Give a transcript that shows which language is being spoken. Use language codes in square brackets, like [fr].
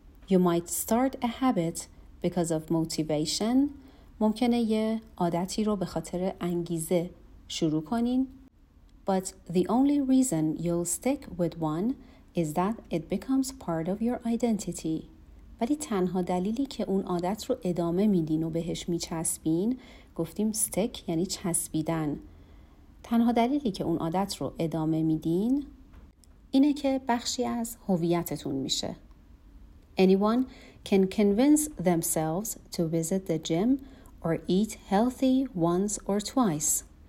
[en] You might start a habit because of motivation. [fa] ممکنه یه عادتی رو به خاطر انگیزه شروع کنین. [en] But the only reason you'll stick with one is that it becomes part of your identity. [fa] ولی تنها دلیلی که اون عادت رو ادامه میدین و بهش میچسبین، گفتیم stick یعنی چسبیدن. تنها دلیلی که اون عادت رو ادامه میدین اینه که بخشی از هویتتون میشه. [en] Anyone can convince themselves to visit the gym or eat healthy once or twice.